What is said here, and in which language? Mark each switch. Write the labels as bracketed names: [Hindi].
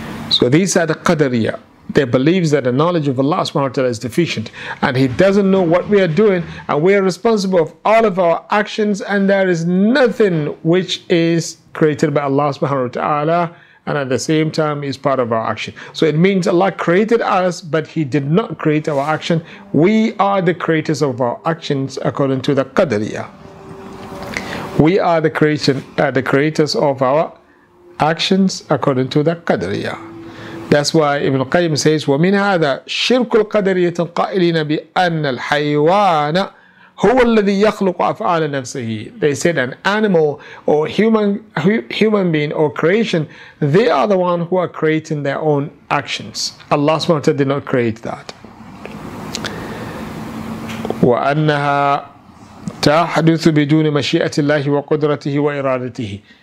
[English] So these are the Qadariya. They believe that the knowledge of Allah subhanahu wa ta'ala is deficient, and He doesn't know what we are doing, and we are responsible of all of our actions, and there is nothing which is created by Allah subhanahu wa ta'ala, and at the same time is part of our action. So it means Allah created us, but He did not create our action. We are the creators of our actions according to the Qadariya. We are the creators of our actions according to the Qadariya. That's why Ibn Qayyim says, [Arabic] وَمِنْ هَذَا شِرْكُ الْقَدَرِيَةُ قَائِلِينَ بِأَنَّ الْحَيْوَانَ هُوَ الَّذِي يَخْلُقُ أَفْعَالَ نَفْسِهِ. [English] They said an animal or human being or creation, they are the one who are creating their own actions. Allah subhanahu wa ta'ala did not create that. [Arabic] وَأَنَّهَا تَحْدُثُ بِدُونِ مَشِيئَةِ اللَّهِ وَقُدْرَتِهِ وَإِرَادَتِهِ.